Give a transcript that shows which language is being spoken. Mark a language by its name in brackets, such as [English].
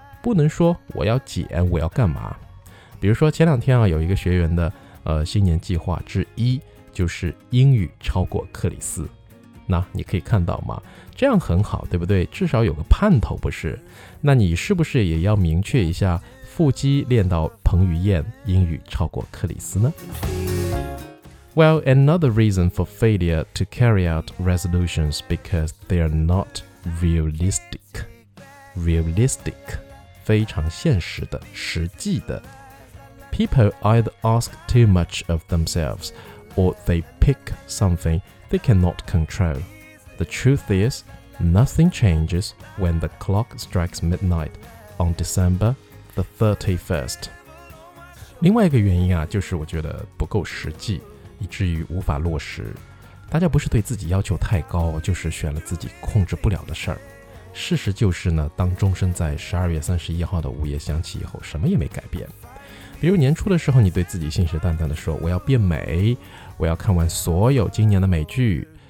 [Chinese] 不能说我要减，我要干嘛？比如说前两天啊，有一个学员的新年计划之一就是英语超过克里斯。那你可以看到吗？这样很好，对不对？至少有个盼头，不是？那你是不是也要明确一下，腹肌练到彭于晏，英语超过克里斯呢？ [English] Well, another reason for failure to carry out resolutions because they're not realistic. [Chinese] Realistic. 非常现实的、实际的。 [English] People either ask too much of themselves or they pick something they cannot control. The truth is, nothing changes when the clock strikes midnight on December the 31st. [Chinese] 另外一个原因啊，就是我觉得不够实际，以至于无法落实。大家不是对自己要求太高，就是选了自己控制不了的事儿。事实就是呢，当钟声在12月31号的午夜响起以后，什么也没改变。比如年初的时候，你对自己信誓旦旦地说，我要变美，我要看完所有今年的美剧。